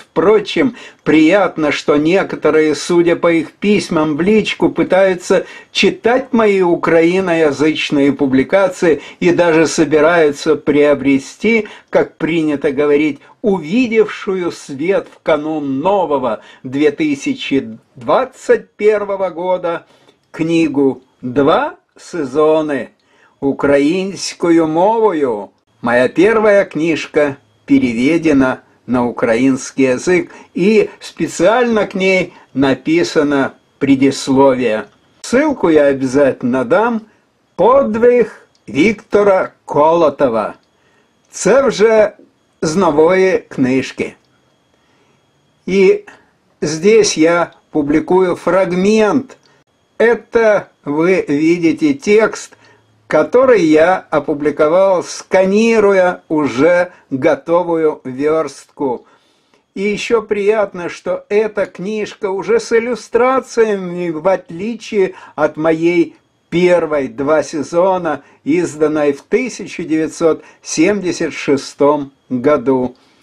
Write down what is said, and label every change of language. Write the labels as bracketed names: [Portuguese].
[Russian] Впрочем, приятно, что некоторые, судя по их письмам в личку, пытаются читать мои украиноязычные публикации и даже собираются приобрести, как принято говорить, увидевшую свет в канун нового 2021 года книгу «Два сезоны украинскую мовою». Моя первая книжка переведена на украинский язык, и специально к ней написано предисловие. Ссылку я обязательно дам. [Ukrainian] «Подвиг Віктора Колотова». Це вже з нової книжки. І [Russian] здесь [Ukrainian] я публікую фрагмент. [Russian] Это вы видите текст, который я опубликовал, сканируя уже готовую верстку. И еще приятно, что эта книжка уже с иллюстрациями, в отличие от моей первой «Два сезона», изданной в 1976 году.